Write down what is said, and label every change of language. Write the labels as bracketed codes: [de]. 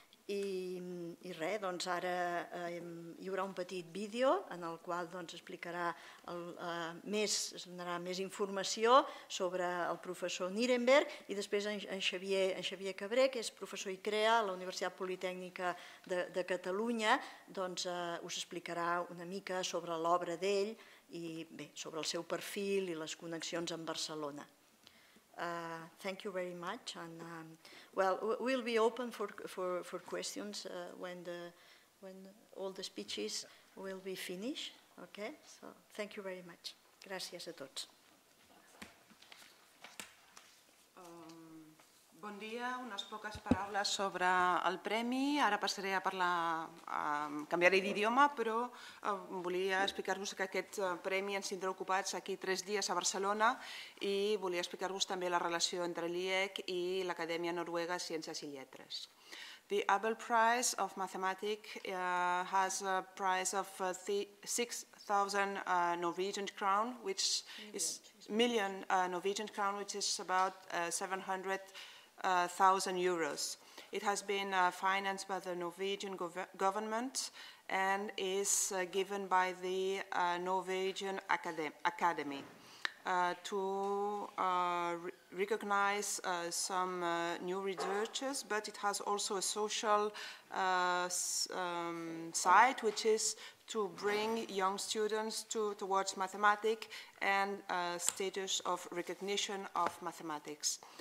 [ca] I res, doncs ara hi haurà un petit vídeo en el qual doncs, explicarà es donarà més informació sobre el professor Nirenberg i després en Xavier Cabré, que és professor ICREA a la Universitat Politècnica de Catalunya, doncs, us explicarà una mica sobre l'obra d'ell i bé, sobre el seu perfil i les connexions amb Barcelona. [en] Thank you very much, and well, we'll be open for questions when all the speeches will be finished. Okay, so thank you very much. [ca] Gràcies a tots. Bon dia, unes poques paraules sobre el premi. Ara passaré a parlar, canviaré d'idioma, però volia explicar-vos que aquest premi ens tindrà ocupats aquí 3 dies a Barcelona i volia explicar-vos també la relació entre l'IEC i l'Acadèmia Noruega de Ciències i Lletres. [en] The Abel Prize of Mathematics has a prize of 6,000 Norwegian crown, which is million Norwegian crown, which is about 700,000 euros. It has been financed by the Norwegian government and is given by the Norwegian Academy to recognize some new researchers, but it has also a social side, which is to bring young students towards mathematics and a status of recognition of mathematics.